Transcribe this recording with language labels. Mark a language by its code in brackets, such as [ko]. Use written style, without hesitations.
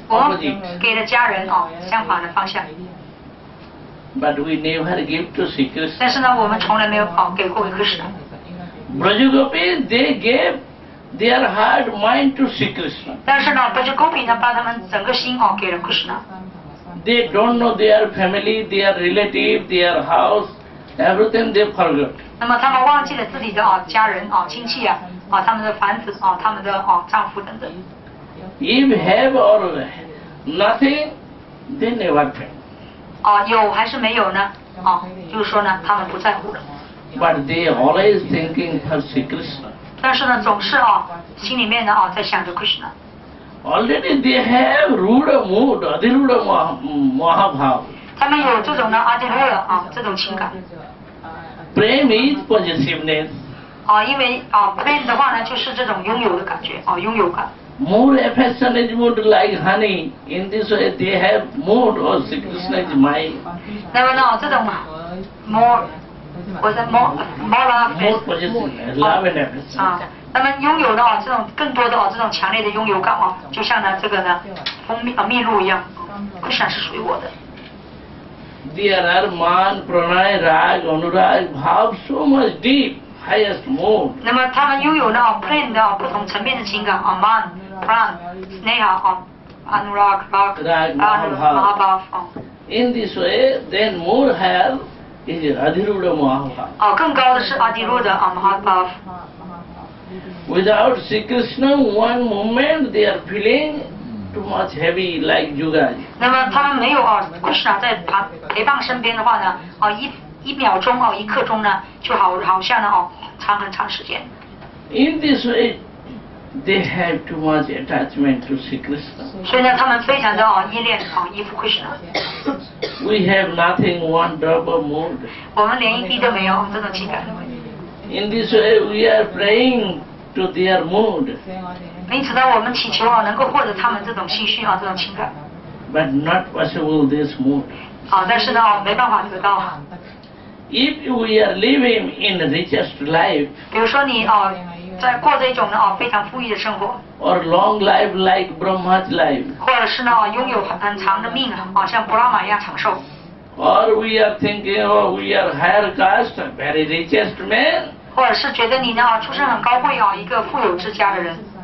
[zh] 我给了家人相反的方向。 [en] But we never give to Sri Krishna. [zh] 但是呢，我们从来没有给过克里斯那。 [en] Brajagopis, they gave their heart, mind to Sri Krishna. [zh] 但是呢，Brajagopis呢，把他们整个心给了克里斯那。 [en] They don't know their family, their relative, their house, everything they forgot. [zh] 那么他们忘记了自己的家人亲戚他们的房子他们的丈夫等等。 [en] If have or nothing, they never care. [zh] 有还是没有呢？就是说呢，他们不在乎了。 [en] But they always thinking for Sri Krishna. [zh] 但是呢，总是心里面呢在想着 Krishna. [en] Already they have rude mood, adirude mahabhav. [zh] 他们有这种呢adirude这种情感。 [en] Prema is possessiveness. [zh] 因为prema的话呢，就是这种拥有的感觉拥有感。 [en] More affection is mood like honey. In this way, they have mood or Sri Krishna is my. [zh] 那么呢，这种more [en] possessiveness, love and affection. [zh] 那么拥有的这种更多的这种强烈的拥有感就像呢这个呢蜂蜜蜜露一样 ，Krishna 是属于我的。 [en] There are man, pranay, rag, anurag, bhav so much deep. Highest mood. [zh] 那么他们拥有呢 ，plain 的不同层面的情感man, pran, sneha, anurag, rag, mahabhav. [en] In this way, then more higher is adhirudha mahabhav. [zh] 更高的是 adhirudha mahabhav. [en] Without Sri Krishna, one moment they are feeling too much heavy like yogaji. [zh] 那么他们没有Krishna 在陪伴身边的话呢，一秒钟一刻钟呢，就好像呢长很长时间。 [en] In this way, they have too much attachment to Sri Krishna. [zh] 所以呢，他们非常的依恋依附 Krishna。 [en] We have nothing, one drop of mood. [zh] 我们连一滴都没有这种情感。 [en] In this way, we are praying to their mood. [zh] 因此呢，我们祈求能够获得他们这种心绪这种情感。 [en] But not possible this mood. [zh] 但是呢没办法得到。 [en] If we are living in the richest life, [zh] 比如说你在过着一种非常富裕的生活 [en] ，or long life like Brahma's life, [zh] 或者是呢拥有很长的命像布拉玛一样长寿 [en] ，or we are thinking we are higher caste, very richest man, [zh] 或者是觉得你呢出身很高贵一个富有之家的人